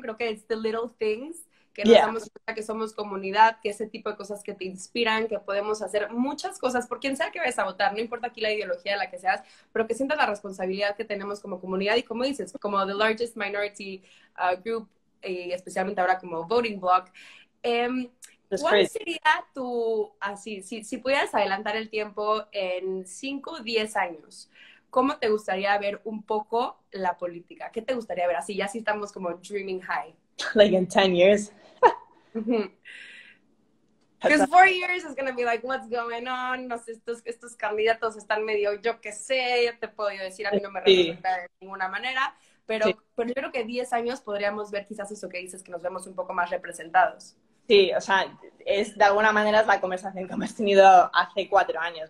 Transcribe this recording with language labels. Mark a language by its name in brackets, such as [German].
[Spanish] Creo que [English] it's the little things [Spanish] que nos damos cuenta que somos comunidad, que ese tipo de cosas que te inspiran, que podemos hacer muchas cosas por quien sea que vayas a votar, no importa aquí la ideología de la que seas, pero que sientas la responsabilidad que tenemos como comunidad y como dices, como [English] the largest minority group, [Spanish] y especialmente ahora como [English] voting bloc. [Spanish] ¿Cuál sería tu, así, si pudieras adelantar el tiempo en 5 o 10 años, cómo te gustaría ver un poco la política? ¿Qué te gustaría ver? Así, ya si estamos como [English] dreaming high. Like in 10 years. Because 4 years is going to be like, what's going on? [Spanish] No sé, estos candidatos están medio, yo qué sé, ya te puedo decir, a mí no me representa de ninguna manera. Pero yo creo que 10 años podríamos ver quizás eso que dices, que nos vemos un poco más representados. Sí, o sea, es de alguna manera es la conversación que hemos tenido hace 4 años.